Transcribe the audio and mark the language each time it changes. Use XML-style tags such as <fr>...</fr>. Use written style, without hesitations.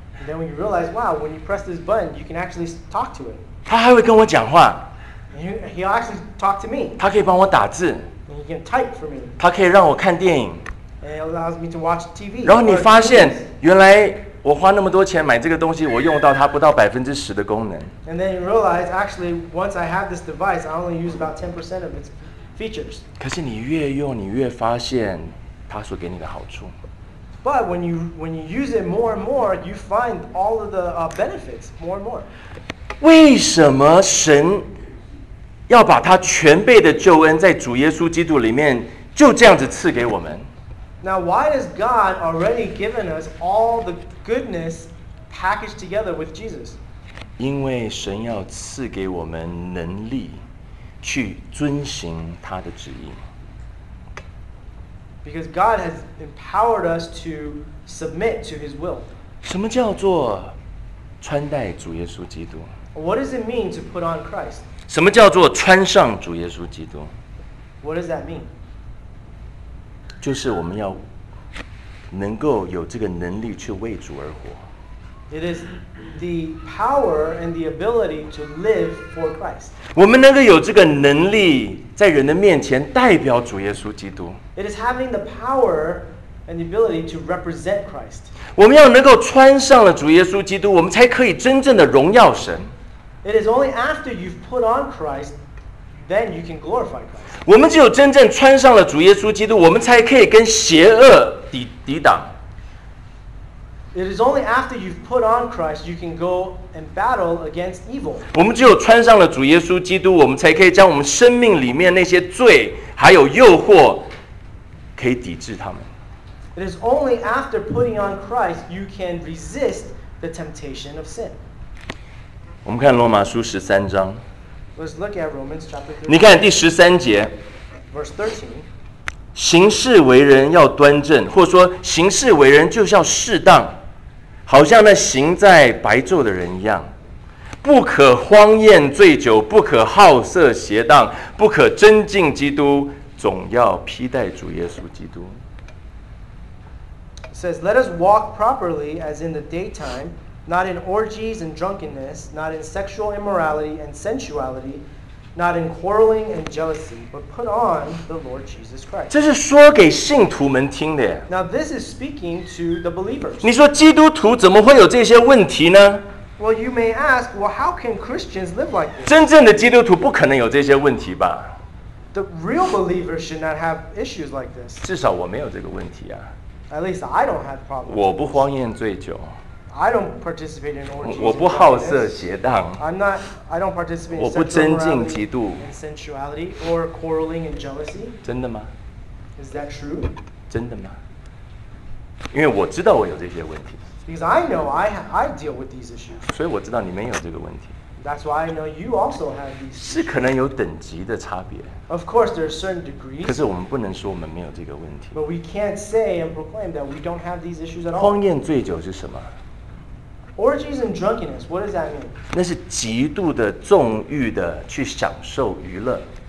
<en>？And then when you realize, wow, when you press this button, you can actually talk to it。</en> <zh>他还会跟我讲话。</zh> <en>He'll actually talk to me。</en> <zh>他可以帮我打字。</zh> <en>And he can type for me。</en> <zh>他可以让我看电影。</zh> <en>It allows me to watch TV.</en> <zh>然后你发现，原来我花那么多钱买这个东西，我用到它不到10%的功能。</zh> <en>And then you realize, actually, once I have this device, I only use about 10% of its features.</en> <zh>可是你越用，你越发现它所给你的好处。</zh> <en>But when you use it more and more, you find all of the benefits more and more.</en> <zh>为什么神要把他全备的救恩在主耶稣基督里面就这样子赐给我们？</zh> <en>Now, why has God already given us all the goodness packaged together with Jesus?</en> <zh>因为神要赐给我们能力去遵行他的旨意。</zh> <en>Because God has empowered us to submit to his will.</en> <zh>什么叫做穿戴主耶稣基督？</zh> <en>What does it mean to put on Christ?</en> <zh>什么叫做穿上主耶稣基督？</zh> <en>What does that mean?</en> <zh>就是我们要能够有这个能力去为主而活。</zh> <en>It is the power and the ability to live for Christ.</en> <zh>我们能够有这个能力在人的面前代表主耶稣基督。</zh> <en>It is having the power and the ability to represent Christ.</en> <zh>我们要能够穿上了主耶稣基督，我们才可以真正的荣耀神。</zh> <en>It is only after you've put on Christ. Then you can glorify Christ.</en> <zh>我们只有真正穿上了主耶稣基督，我们才可以跟邪恶抵挡。</zh> <en>It is only after you've put on Christ you can go and battle against evil.</en> <zh>我们只有穿上了主耶稣基督，我们才可以将我们生命里面那些罪还有诱惑可以抵制他们。</zh> <en>It is only after putting on Christ you can resist the temptation of sin.</en> <zh>我们看罗马书十三章。</zh> <en>Let's look at Romans chapter 3.</en> <zh>你看第十三节</zh> <en>Verse 13.</en> <zh>行事为人要端正，或说行事为人就是要适当，好像那行在白昼的人一样，不可荒宴醉酒，不可好色邪荡，不可增进基督，总要披戴主耶稣基督。</zh> <en>It says says, let us walk properly as in the daytime, not in orgies and drunkenness, not in sexual immorality and sensuality, not in quarreling and jealousy, but put on the Lord Jesus Christ.</en> <zh>这是说给信徒们听的。</zh> <en>Now this is speaking to the believers.</en> <zh>你说基督徒怎么会有这些问题呢？</zh> <en>Well, you may ask, well, how can Christians live like this?</en> <zh>真正的基督徒不可能有这些问题吧。</zh> <en>The real believers should not have issues like this.</en> <zh>至少我没有这个问题啊。</zh> <en>At least I don't have problems.</en> <zh>我不荒宴醉酒。</zh> <en>I don't participate in orgies.</en> <zh>我不好色邪荡。</zh> <en>I don't participate in sexual immorality.</en> <zh>我不增进嫉妒。</zh> <en>And sensuality or quarreling and jealousy.</en> <zh>真的吗？</zh> <en>Is that true?</en> <zh>真的吗？因为我知道我有这些问题。</zh> <en>Because I know I deal with these issues.</en> <zh>所以我知道你没有这个问题。</zh> <en>That's why I know you also have these issues.</en> <zh>是可能有等级的差别。</zh> <en>Of course, there are certain degrees.</en> <zh>可是我们不能说我们没有这个问题。</zh> <en>But we can't say and proclaim that we don't have these issues at all.</en> <zh>荒宴醉酒是什么？</zh> <en>Orgies and drunkenness, what does that mean?</en> <zh>那是极度的纵欲的去享受娱乐。</zh>